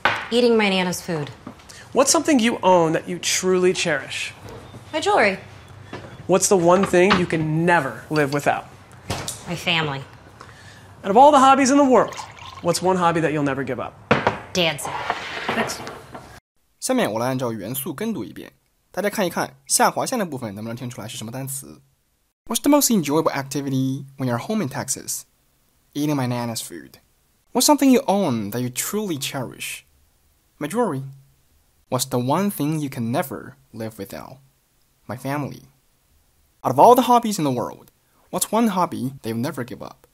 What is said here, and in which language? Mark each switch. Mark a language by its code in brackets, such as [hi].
[en] Eating my Nana's food. What's something you own that you truly cherish? My jewelry. What's the one thing you can never live without? My family. Out of all the hobbies in the world, what's one hobby that you'll never give up? Dancing. Thanks. [zh] 下面我来按照元素跟读一遍，大家看一看下划线的部分能不能听出来是什么单词。 [en] What's the most enjoyable activity when you're home in Texas? Eating my Nana's food. What's something you own that you truly cherish? My jewelry. What's the one thing you can never live without? My family. Out of all the hobbies in the world, what's one hobby they'll never give up?